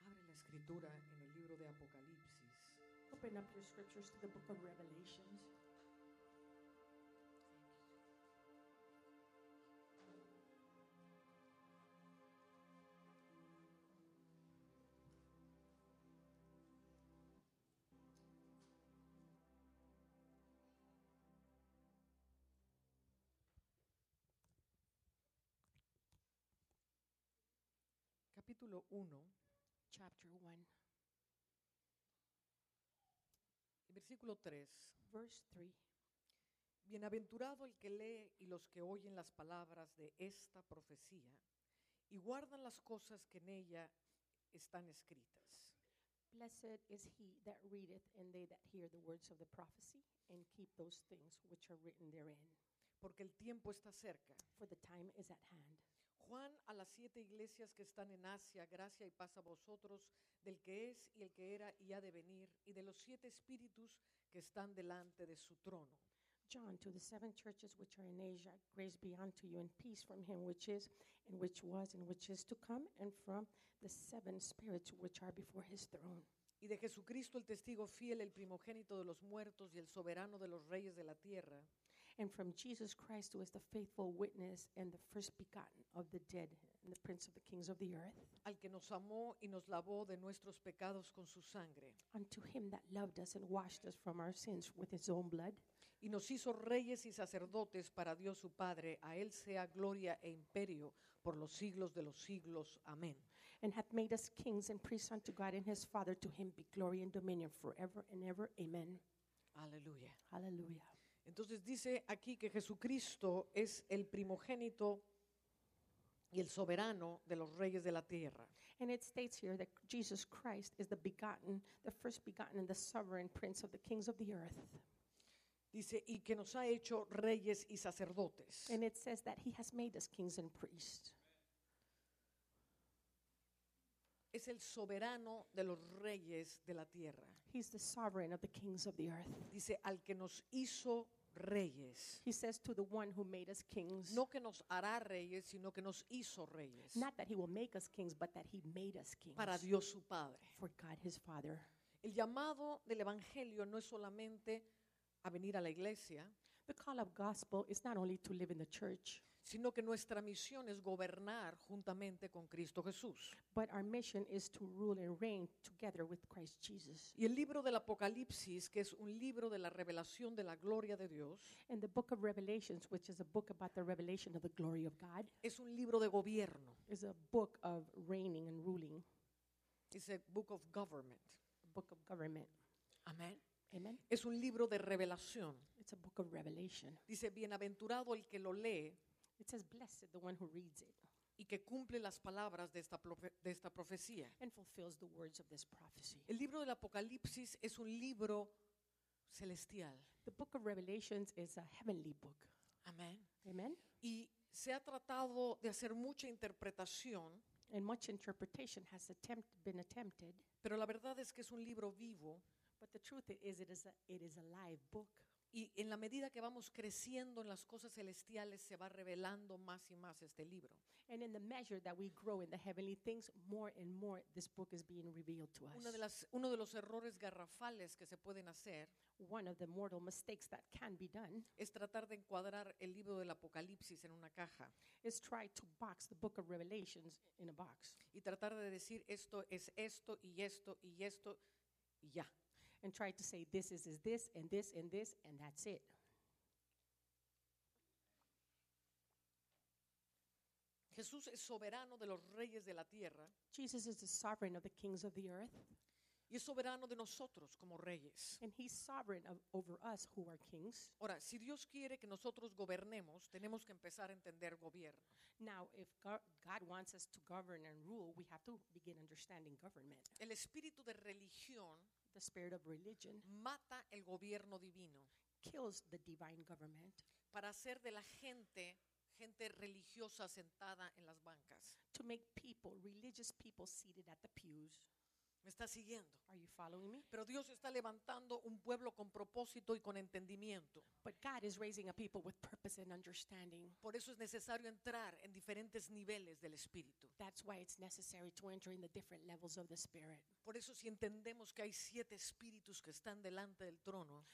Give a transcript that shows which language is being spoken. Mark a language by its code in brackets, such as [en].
[es] Escritura en el libro de Apocalipsis. [en] Open up your scriptures to the book of Revelations. [es] Capítulo 1. [en] Chapter 1. [es] Versículo 3. [en] Verse 3. [es] Bienaventurado el que lee y los que oyen las palabras de esta profecía y guardan las cosas que en ella están escritas. [en] Blessed is he that readeth and they that hear the words of the prophecy and keep those things which are written therein. [es] Porque el tiempo está cerca. [en] For the time is at hand. [es] Juan, a las siete iglesias que están en Asia, gracia y paz a vosotros, del que es y el que era y ha de venir, y de los siete espíritus que están delante de su trono. [en] John, to the seven churches which are in Asia, grace be unto you and peace from him which is, and which was, and which is to come, and from the seven spirits which are before his throne. [es] Y de Jesucristo, el testigo fiel, el primogénito de los muertos y el soberano de los reyes de la tierra. [en] And from Jesus Christ, who is the faithful witness and the first begotten of the dead and the prince of the kings of the earth. [es] Al que nos amó y nos lavó de nuestros pecados con su sangre. [en] Unto him that loved us and washed us from our sins with his own blood. [es] Y nos hizo reyes y sacerdotes para Dios su Padre. A él sea gloria e imperio por los siglos de los siglos. Amén. [en] And hath made us kings and priests unto God and his Father. To him be glory and dominion forever and ever. Amen. [es] Aleluya. Aleluya. Entonces dice aquí que Jesucristo es el primogénito y el soberano de los reyes de la tierra. [en] And it states here that Jesus Christ is the begotten, the first begotten and the sovereign prince of the kings of the earth. [es] Dice, y que nos ha hecho reyes y sacerdotes. [en] And it says that he has made us kings and priests. [es] Es el soberano de los reyes de la tierra. [en] He's the sovereign of the kings of the earth. [es] Dice, al que nos hizo reyes. [en] He says to the one who made us kings. [es] No que nos hará reyes, sino que nos hizo reyes. [en] Not that he will make us kings, but that he made us kings. [es] Para Dios su Padre. [en] For God his Father. [es] El llamado del evangelio no es solamente a venir a la iglesia. [en] The call of gospel is not only to live in the church. [es] Sino que nuestra misión es gobernar juntamente con Cristo Jesús. [en] But our mission is to rule and reign together with Christ Jesus. [es] Y el libro del Apocalipsis, que es un libro de la revelación de la gloria de Dios. [en] And the book of Revelations, which is a book about the revelation of the glory of God. [es] Es un libro de gobierno. [en] Is a book of reigning and ruling. It's a book of government. A book of government. [es] Amén. [en] Amen. [es] Es un libro de revelación. [en] It's a book of revelation. [es] Dice, bienaventurado el que lo lee. [en] It says, blessed the one who reads it. [es] Y que cumple las palabras de esta profecía. [en] And fulfills the words of this prophecy. [es] El libro del Apocalipsis es un libro celestial. [en] The book of Revelations is a heavenly book. [es] Amen. [en] Amen. [es] Y se ha tratado de hacer mucha interpretación. [en] And much interpretation has been attempted. [es] Pero la verdad es que es un libro vivo. [en] But the truth is, it is a live book. [es] Y en la medida que vamos creciendo en las cosas celestiales, se va revelando más y más este libro. [en] And in the measure that we grow in the heavenly things, more and more this book is being revealed to us. [es] Uno de los errores garrafales que se pueden hacer, [en] one of the mortal mistakes that can be done, [es] es tratar de encuadrar el libro del Apocalipsis en una caja. [en] Is try to box the book of Revelations in a box. [es] Y tratar de decir esto es esto y esto y esto y ya. [en] And try to say this is this and this and this and that's it. [es] Jesús es soberano de los reyes de la tierra. [en] Jesus is the sovereign of the kings of the earth. [es] Y es soberano de nosotros como reyes. [en] And he's sovereign over us who are kings. [es] Ahora, si Dios quiere que nosotros gobernemos, tenemos que empezar a entender gobierno. [en] Now, if God wants us to govern and rule, we have to begin understanding government. [es] El espíritu de religión, [en] the spirit of religion, [es] mata el gobierno divino, [en] kills the divine government, [es] para hacer de la gente religiosa sentada en las bancas, [en] to make people, religious people seated at the pews. [es] ¿Me está siguiendo? [en] Are you following me? [es] Pero Dios está levantando un pueblo con propósito y con entendimiento. [en] But God is raising a people with purpose and understanding. [es] Por eso es necesario entrar en diferentes niveles del Espíritu. [en] That's why it's necessary to enter in the different levels of the Spirit. [es] Por eso si entendemos que hay siete espíritus que están delante del trono,